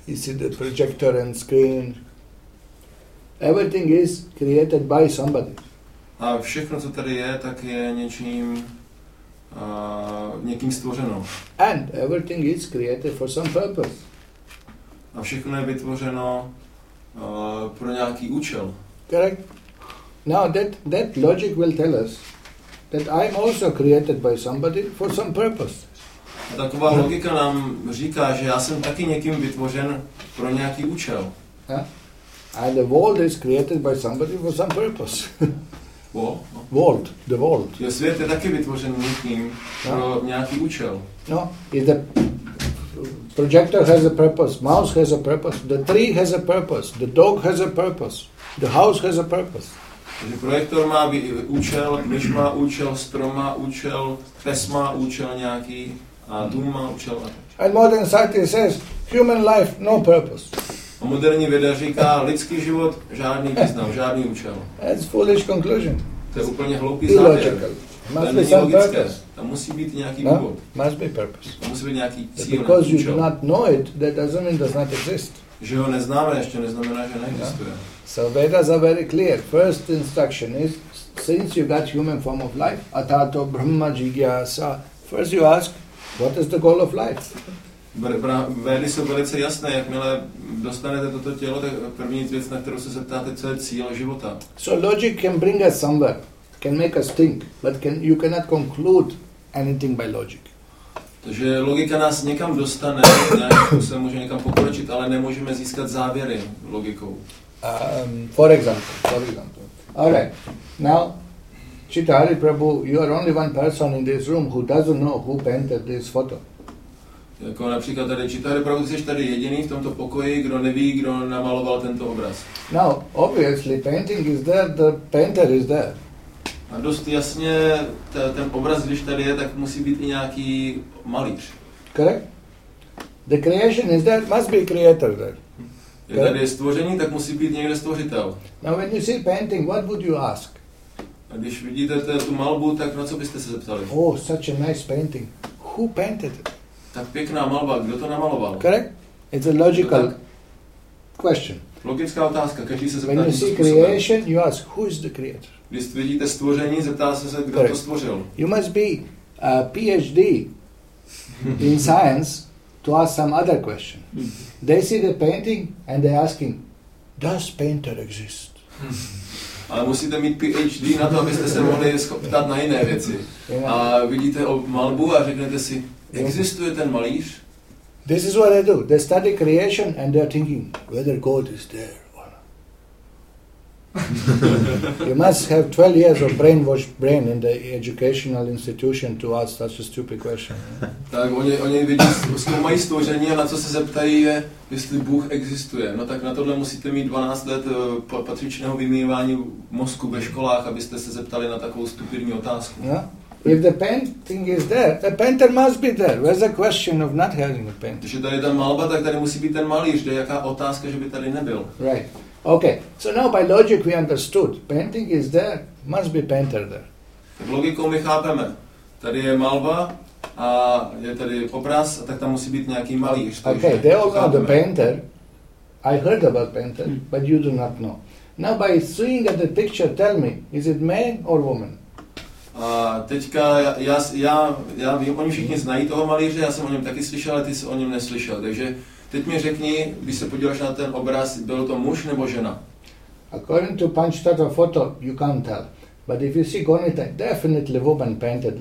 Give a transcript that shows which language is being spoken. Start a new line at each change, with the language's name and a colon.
English: You see the projector and screen. Everything is created by somebody.
Czech: A všechno, co tady je, tak je něčím, někým stvořeno.
English: And everything is created for some purpose.
Czech: A všechno je vytvořeno pro nějaký účel.
English: Correct. Now that logic will tell us that I'm also created by somebody for some purpose.
Czech: Taková logika nám říká, že já jsem taky někým vytvořen pro nějaký účel.
English: And the world is created by somebody for some purpose. World, the world.
Czech: Je svět taky vytvořen někým pro nějaký účel.
English: No, if the projector has a purpose, mouse has a purpose, the tree has a purpose, the dog has a purpose, the house has a purpose.
Czech: Takže projektor má účel, myš má účel, strom má účel, pes má účel nějaký a dům má účel.
English: And modern society says human life no purpose.
Czech: A moderní věda říká, lidský život, žádný význam, žádný účel.
English: That's foolish conclusion.
Czech: To je úplně hloupý závěr.
English: Illogical. Must be some
Czech: logické.
English: Purpose.
Czech: Tam musí být nějaký důvod.
English: Must be purpose.
Czech: Tam musí být nějaký cíl, nějaký účel.
English: Because you do not know it, that doesn't mean it does not exist.
Czech: Že ho neznáme, ještě neznamená, že neexistuje.
English: Yeah. So Vedas are very clear. First instruction is, since you got human form of life,
Sanskrit: atato brahma jigyasa,
English: first you ask, what is the goal of life?
Czech: Vedy jsou velice jasné, jakmile dostanete toto tělo, tak první věc, na kterou se zeptáte, co je cíl života.
English: So logic can bring us somewhere, can make us think, but you cannot conclude anything by logic.
Czech: Takže logika nás někam dostane, se může někam pokročit, ale nemůžeme získat závěry logikou.
English: For example. All right. Now, Chita Hari Prabhu, you are only one person in this room who doesn't know who painted this photo.
Czech: Jako například tady Chita Hari Prabhu, jsi tady jediný v tomto pokoji, kdo neví, kdo namaloval tento obraz.
English: Now, obviously, painting is there, the painter is there.
Czech: A dost jasně, ten obraz, když tady je, tak musí být i nějaký malíř.
English: Correct? The creation is there, must be creator there.
Czech: Je tady stvoření, tak musí být někde stvořitel.
English: Now when you see painting, what would you ask?
Czech: A když vidíte tu malbu, tak na co byste se zeptali?
English: Oh, such a nice painting. Who painted it?
Czech: Tak pěkná malba, kdo to namaloval?
English: Correct? It's a logical question.
Czech: Logická otázka, každý se zeptá.
English: When you see creation, you ask, who is the creator?
Czech: Když vidíte stvoření, zeptá se, kdo to stvořil?
English: You must be a PhD in science to ask some other question. They see the painting and they're asking, does painter exist?
Czech: Ale musíte mít PhD na to, abyste se mohli ptát na jiné věci. A vidíte malbu a řeknete si, existuje ten malíř?
English: This is what they do. They study creation and they're thinking whether God is there or not. You must have 12 years of brainwashed brain in the educational institution to ask such a stupid question.
Czech: Tak oni vidí zkoumají stvoření a na co se zeptají je, jestli Bůh existuje. No tak na tohle musíte mít 12 let patřičného vymývání mozku ve školách, abyste se zeptali na takovou stupidní otázku.
English: Yeah? If the painting is there, the painter must be there. Where's the question of not having a painting?
Czech: Když je tady ta malba, tak tady musí být ten malíř. Kde je jaká otázka, že by tady nebyl?
English: Right. Okay. So now by logic we understood. Painting is there, must be painter there.
Czech: Tak logikou my chápeme. Tady je malba a je tady obraz, a tak tam musí být nějaký malíř.
English: Okay, they all know the painter. I heard about painter, but you do not know. Now by seeing at the picture, tell me, is it man or woman?
Czech: A teďka já vím, oni všichni znají toho malíře, já jsem o něm taky slyšel, ale ty jsi o něm neslyšel. Takže teď mi řekni, když se podíváš na ten obraz, byl to muž nebo žena?
English: According to Panchtattva photo, you can't tell. But if you see Gonita, definitely woman painted.